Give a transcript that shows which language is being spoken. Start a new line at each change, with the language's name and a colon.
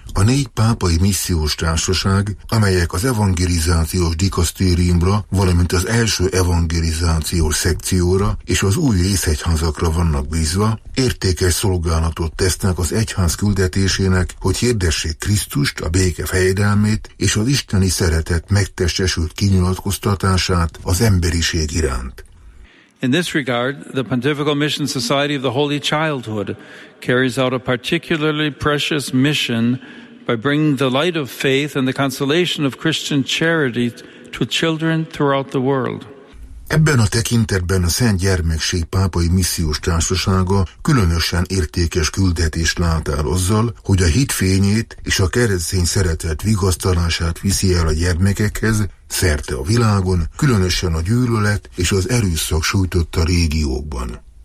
Hungarian: a négy pápai missziós társaság, amelyek az evangelizációs dikasztériumra, valamint az első evangelizációs szekcióra és az új részegyházakra vannak bízva, értékes szolgálatot tesznek az egyház küldetésének, hogy hirdessék Krisztust, a béke fejedelmét és az isteni szeretet megtestesült kinyilatkoztatását az emberiség iránt.
English: In this regard, the Pontifical Mission Society of the Holy Childhood carries out a particularly precious mission by bringing the light of faith and the consolation of Christian charity to children throughout the world.
Hungarian: Ebben a tekintetben a Szent Gyermekség Pápai Missziós Társasága különösen értékes küldetést lát el azzal, hogy a hit fényét és a keresztény szeretet vigasztalását viszi el a gyermekekhez, szerte a világon, különösen a gyűlölet és az erőszak sújtotta régiókban.